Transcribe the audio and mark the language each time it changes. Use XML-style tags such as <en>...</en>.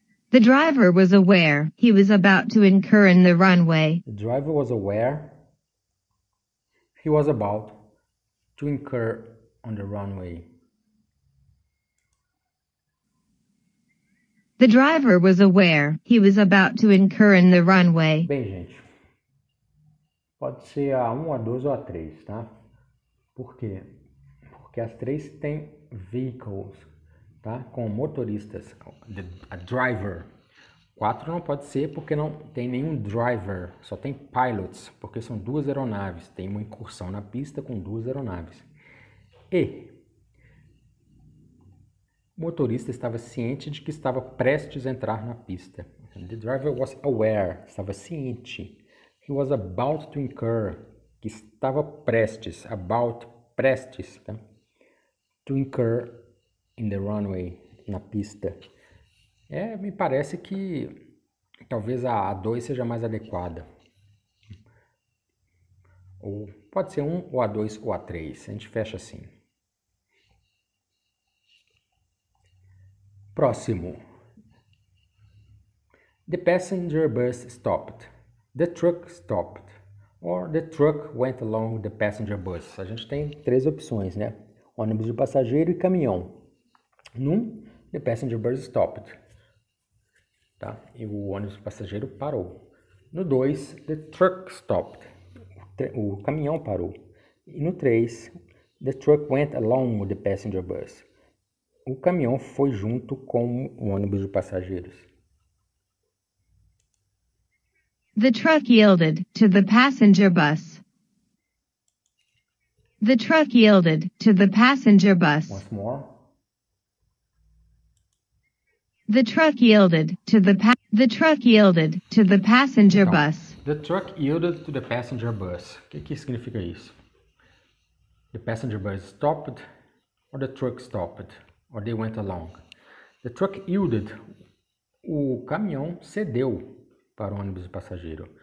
<en>The driver was aware he was about to incur in the runway. The driver was aware he was about to incur on the runway. The driver was aware he was about to incur in the runway.</en> <pt>Bem, gente, pode ser a 1, a 2 ou a 3, tá? Por quê? Porque as 3 têm vehicles, tá? Com motoristas. A driver. 4 não pode ser porque não tem nenhum driver. Só tem pilots, porque são duas aeronaves. Tem uma incursão na pista com duas aeronaves. E o motorista estava ciente de que estava prestes a entrar na pista.</pt> <en>The driver was aware,</en> <pt>estava ciente.</pt> <en>He was about to incur,</en> <pt>que estava prestes,</pt> <en>about,</en> <pt>prestes, tá?</pt> <en>To incur in the runway,</en> <pt>na pista. É, me parece que talvez a 2 seja mais adequada. Ou pode ser 1, ou a 2, ou a 3, a gente fecha assim. Próximo.</pt> <en>The passenger bus stopped. The truck stopped. Or the truck went along the passenger bus.</en> <pt>A gente tem 3 opções, né? Ônibus de passageiro e caminhão.</pt> <en>Num, the passenger bus stopped. Tá?</en> <pt>E o ônibus de passageiro parou. No 2,</pt> <en>the truck stopped.</en> <pt>O caminhão parou. E no 3,</pt> <en>the truck went along the passenger bus.</en> <pt>O caminhão foi junto com o ônibus de passageiros.</pt> <en>The truck yielded to the passenger bus. The truck yielded to the passenger bus. Once more. The truck yielded to the truck yielded to the passenger bus. The truck yielded to the passenger bus.</en> <pt>O que significa isso?</pt> <en>The passenger bus stopped or the truck stopped? Or they went along. The truck yielded.</en> <pt>O caminhão cedeu para o ônibus de passageiro.</pt>